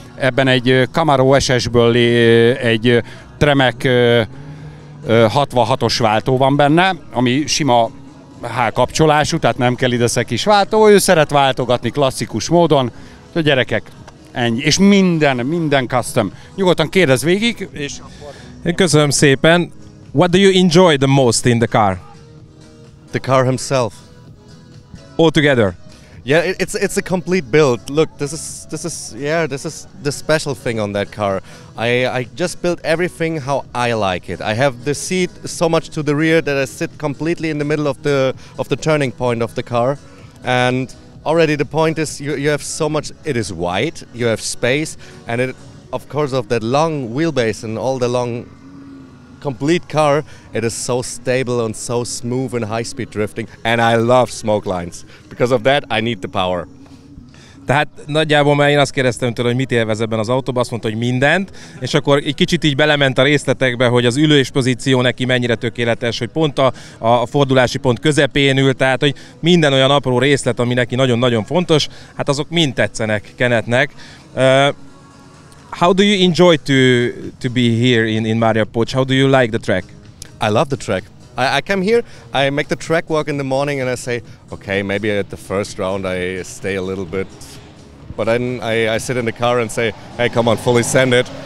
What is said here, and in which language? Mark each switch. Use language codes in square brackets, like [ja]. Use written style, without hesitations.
[hu] Ebben egy Camaro SS-ből egy Tremec 66-os váltó van benne, ami sima H-kapcsolású, tehát nem kell ide szekis váltó, ő szeret váltogatni klasszikus módon. A gyerekek, ennyi. És minden custom. Nyugodtan kérdezz végig, és... Köszönöm szépen. [en] What do you enjoy the most in the car? The car himself. All together? Yeah, it's a complete build. Look, this is the special thing on that car. I just built everything how I like it. I have the seat so much to the rear that I sit completely in the middle of the turning point of the car. And already the point is you have so much. It is wide. You have space, and it of course of that long wheelbase and all the long complete car. It is so stable and so smooth in high speed drifting, and I love smoke lines. Because of that, I need the power. [hu] Tehát nagyjából már én azt kérdeztem tőle, hogy mit élvez ebben az autóban, azt mondta, hogy mindent, és akkor egy kicsit így belement a részletekbe, hogy az ülés pozíció neki mennyire tökéletes, hogy pont a fordulási pont közepén ül, tehát hogy minden olyan apró részlet, ami neki nagyon-nagyon fontos, hát azok mind tetszenek Kenetnek. [en] How do you enjoy to be here in Mariupol? How do you like the track? I love the track. I come here, I make the track walk in the morning and I say, okay, maybe at the first round I stay a little bit. But then I sit in the car and say, hey, come on, fully send it.